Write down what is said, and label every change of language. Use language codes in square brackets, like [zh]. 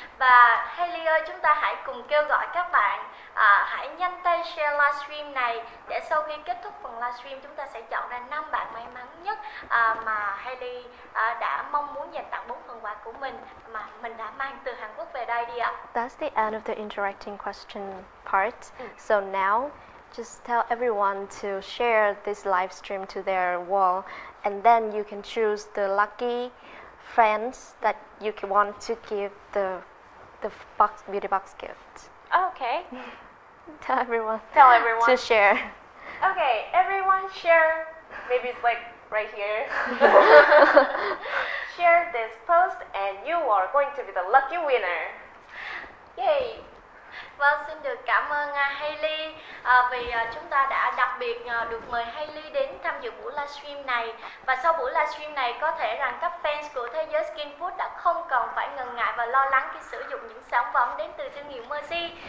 [vi] Và Hailey ơi, chúng ta hãy cùng kêu gọi các bạn hãy nhanh tay share livestream này để sau khi kết thúc phần livestream chúng ta sẽ chọn ra 5 bạn may mắn nhất mà Hailey đã mong muốn dành tặng 4 phần quà của mình mà mình đã mang từ Hàn Quốc về đây đi ạ. [en] That's the end of the interacting question part. So now just tell everyone to share this live stream to their wall and then you can choose the lucky friends that you can want to give the box, beauty box gift. Okay. Tell everyone to share. Okay, everyone share. Maybe it's like right here. Share this post and you are going to be the lucky winner. Yay. [vi] Vâng, xin được cảm ơn Hailey vì chúng ta đã đặc biệt được mời Hailey đến tham dự buổi livestream này. Và sau buổi livestream này có thể rằng các fans của Thế Giới Skin Food đã không còn phải ngần ngại và lo lắng khi sử dụng những sản phẩm đến từ thương hiệu Mercy.